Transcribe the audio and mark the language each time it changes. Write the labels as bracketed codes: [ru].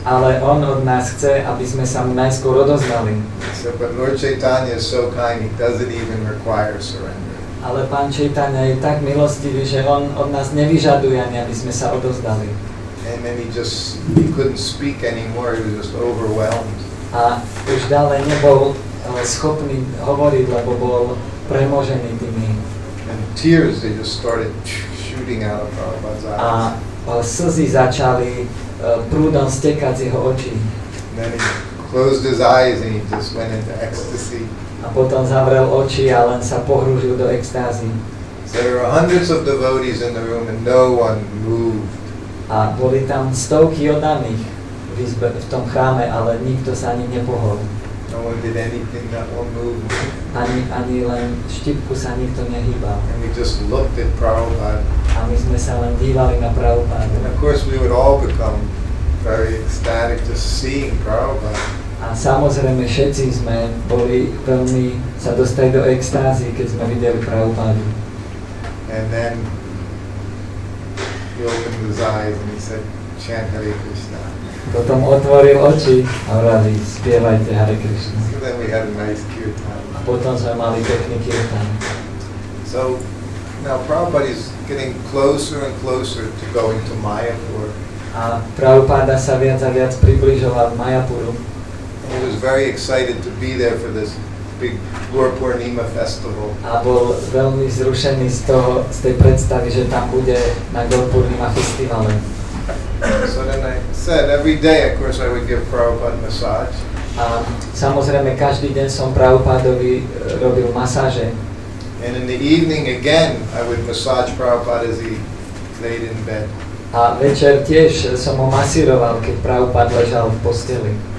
[sk] Ale on od nás chce, aby sme sa najskôr odozvali. [en] So, but Lord Chaitanya is so kind, he doesn't even require surrender. [sk] Ale pán Chaitanya je tak milostivý, že on od nás nevyžaduje ani, aby sme sa odozvali. [en] And then he couldn't speak anymore, he was just overwhelmed. [sk] A už ďalej nebol schopný hovoriť, lebo bol premožený tými. [en] And tears, they just started shooting out of Prabhupada's eyes. [sk] A slzy začali prúdom stekať z jeho očí. [en] Then he closed his eyes and he just went into ecstasy. [sk] A potom zavrel oči a len sa pohrúžil do extázy. [en] So there were hundreds of devotees in the room and no one moved. [sk] A boli tam stovky oddaných v izbe, v tom chráme, ale nikto sa ani nepohol. [en] No one did anything, not one moved. [sk] Ani len štipku sa nikto nehýbal. [en] And we just looked at Prabhupada. [sk] A my sme sa len dívali na Prabhupádu. [en] And of course we would all become very ecstatic to seeing Prabhupada. [sk] A samozrejme všetci sme boli plní sa dostať do extázy, keď sme videli Prabhupádu. [en] And then he opened his eyes and he said, chant Hare Krishna. [sk] Potom otvoril oči a hovorili, spievajte Hare Krishna. [en] So then we had a nice kirtan. [sk] A potom sme mali pekný kirtan. [en] So now Prabhupada is getting closer and closer to going to Mayapur. [sk] A Prabhupada sa viac a viac približoval Mayapuru. [en] He was very excited to be there for this big Gaurapurnima festival. [sk] A bol veľmi zrušený z toho, z tej predstavy, že tam bude na Gaurapurnima festivale. [en] So then I said, every day of course I would give Prabhupada massage. [sk] A samozrejme každý deň som Prabhupadovi robil masáže. [en] And in the evening again, I would massage Prabhupada as he laid in bed. [sk] A večer tiež som ho masíroval, keď Prabhupada ležal v posteli.